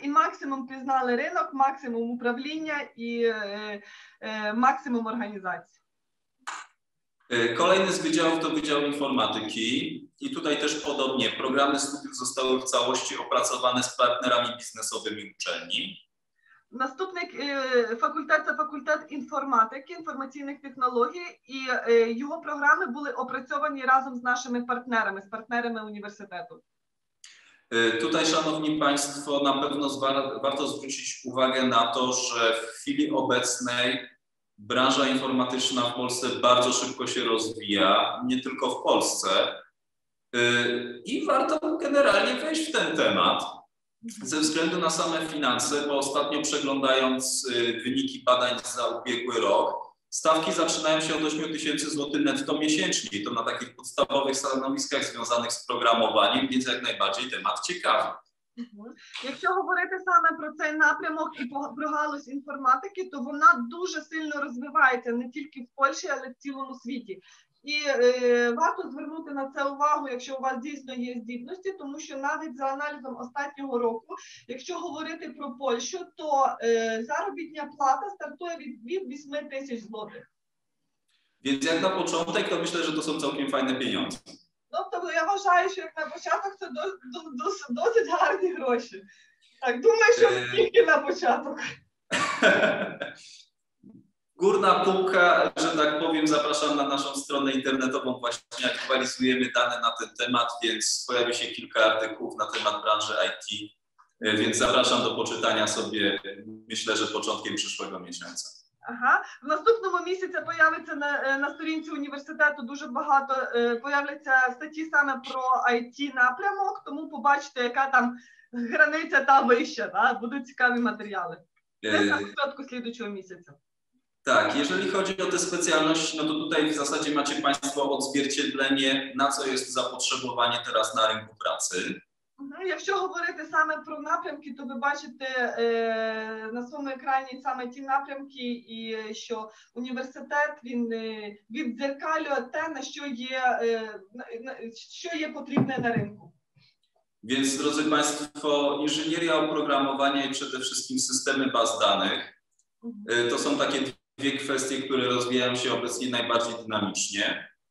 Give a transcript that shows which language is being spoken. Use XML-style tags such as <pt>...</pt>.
<uk>І максимум пізнали ринок, максимум управління і максимум організації.</uk> <pl>Kolejny z wydziałów to Wydział Informatyki i tutaj też podobnie, programy studiów zostały w całości opracowane z partnerami biznesowymi uczelni. Następny fakultet to fakultet informatyki, informacyjnych technologii i jego programy były opracowane razem z naszymi partnerami, z partnerami uniwersytetu. Tutaj, szanowni państwo, na pewno warto zwrócić uwagę na to, że w chwili obecnej branża informatyczna w Polsce bardzo szybko się rozwija, nie tylko w Polsce. I warto generalnie wejść w ten temat ze względu na same finanse, bo ostatnio przeglądając wyniki badań za ubiegły rok, stawki zaczynają się od 8000 zł netto miesięcznie. I to na takich podstawowych stanowiskach związanych z programowaniem, więc jak najbardziej temat ciekawy.</pl> <uk>Якщо говорити саме про цей напрямок і про галузь інформатики, то вона дуже сильно розвивається не тільки в Польщі, але й в цілому світі. І варто звернути на це увагу, якщо у вас дійсно є здібності, тому що навіть за аналізом останнього року, якщо говорити про Польщу, то заробітна плата стартує від 8000 злотих.</uk> <pl>Więc як на початок, то myślę, że to są całkiem fajne pieniądze.</pl> <uk>Ну, тобто я вважаю, що як на початок це досить гарні гроші. Так, думаю, що тільки на початок.</uk> <pl>Górna półka, że tak powiem, zapraszam na naszą stronę internetową, właśnie aktualizujemy dane na ten temat, więc pojawi się kilka artykułów na temat branży IT, więc zapraszam do poczytania sobie, myślę, że początkiem przyszłego miesiąca.</pl> <uk>Ага, в наступному місяці появиться на сторінці університету дуже багато появляться статті саме про IT-напрямок, тому побачите, яка там границя та вища, да? Будуть цікаві матеріали. Це на початку слідуючого місяця.</uk> <pl>Так, jeżeli chodzi o tę specjalność, no to tutaj w zasadzie macie Państwo odzwierciedlenie, na co jest zapotrzebowanie teraz na rynku pracy.</pl> <uk>Якщо говорити саме про напрямки, то ви бачите на своєму екрані саме ті напрямки, і що університет він віддзеркалює те, на що є що є потрібне на ринку.</uk> <pl>Więc, drodzy Państwo, inżynieria oprogramowania i przede wszystkim systemy baz danych to są takie dwie kwestie, które rozwijają się obecnie najbardziej dynamicznie.</pl>